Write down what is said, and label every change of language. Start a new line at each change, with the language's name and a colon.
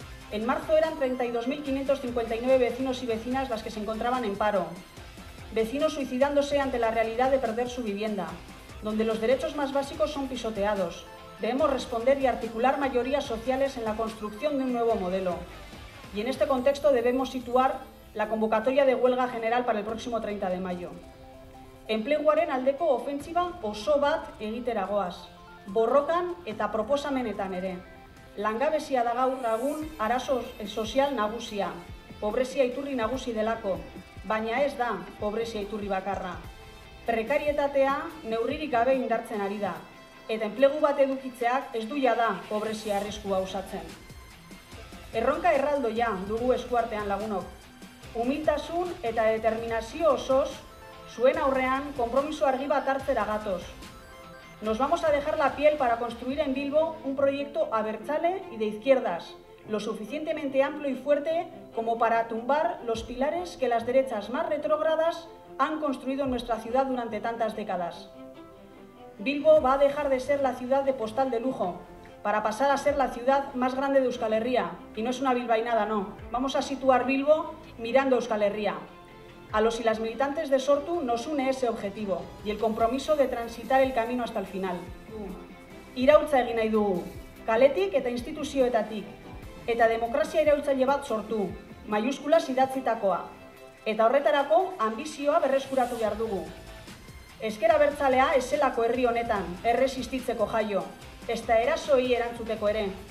Spanish: En marzo eran 32.559 vecinos y vecinas las que se encontraban en paro, vecinos suicidándose ante la realidad de perder su vivienda, donde los derechos más básicos son pisoteados. Debemos responder y articular mayorías sociales en la construcción de un nuevo modelo. Y en este contexto debemos situar la convocatoria de huelga general para el próximo 30 de mayo.
Basque: Enpleguaren aldeko ofentsiba oso bat egitera goaz, borrokan eta proposamenetan ere. Langabezia da gaur egun arazo sozial nagusia, pobrezia iturri nagusi delako, baina ez da pobrezia iturri bakarra. Prekarietatea neurririk gabe indartzen ari da, eta enplegu bat edukitzeak ez du jada pobrezia arriskua osatzen. Erronka erraldoia dugu eskuartean lagunok. Humiltasun eta determinazio osoz, zuen aurrean konpromiso argi bat hartzera gatoz.
Spanish: Nos vamos a dejar la piel para construir en Bilbo un proyecto abertzale y de izquierdas, lo suficientemente amplio y fuerte como para tumbar los pilares que las derechas más retrógradas han construido en nuestra ciudad durante tantas décadas. Bilbo va a dejar de ser la ciudad de postal de lujo, para pasar a ser la ciudad más grande de Euskal Herria, y no es una bilbainada, no. Vamos a situar Bilbo mirando Euskal Herria. A los y las militantes de Sortu nos une ese objetivo y el compromiso de transitar el camino hasta el final.
Basque: Iraultza egin nahi dugu, kaletik eta instituzioetatik, eta demokrazia iraultzaile bat sortu, maiuskulas idatzitakoa. Eta horretarako ambizioa berreskuratu behar dugu. Ezker abertzalea ez zelako herri honetan, erresistitzeko jaio, ezta erasoi erantzuteko ere.